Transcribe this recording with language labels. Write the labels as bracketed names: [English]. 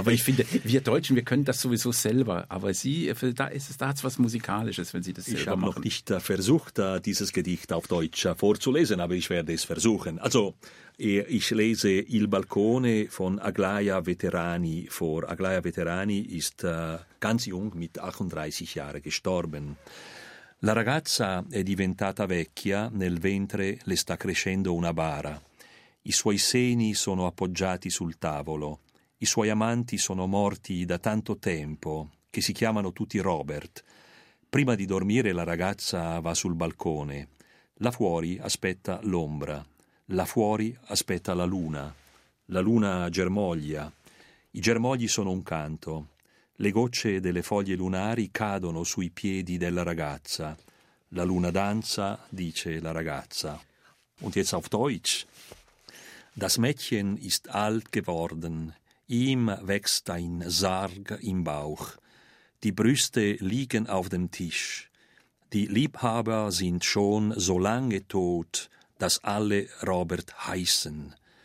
[German] Aber ich finde, wir Deutschen, wir können das sowieso selber. Aber Sie, da ist es, da hat's was Musikalisches, wenn Sie das selber machen. Ich habe noch nicht versucht, dieses Gedicht auf Deutsch vorzulesen, aber ich werde es versuchen. Also, ich lese Il Balcone von Aglaia Veterani vor. Aglaia Veterani ist ganz jung, mit 38 Jahren gestorben. [Italian] La ragazza è diventata vecchia, nel ventre le sta crescendo una bara. I suoi seni sono appoggiati sul tavolo. I suoi amanti sono morti da tanto tempo, che si chiamano tutti Robert. Prima di dormire la ragazza va sul balcone. Là fuori aspetta l'ombra. Là fuori aspetta la luna. La luna germoglia. I germogli sono un canto. Le gocce delle foglie lunari cadono sui piedi della ragazza. La luna danza, dice la ragazza. [German] Und jetzt auf Deutsch. Das Mädchen ist alt geworden, ihm wächst ein Sarg im Bauch, die Brüste liegen auf dem Tisch, die Liebhaber sind schon so lange tot, dass alle Robert heißen.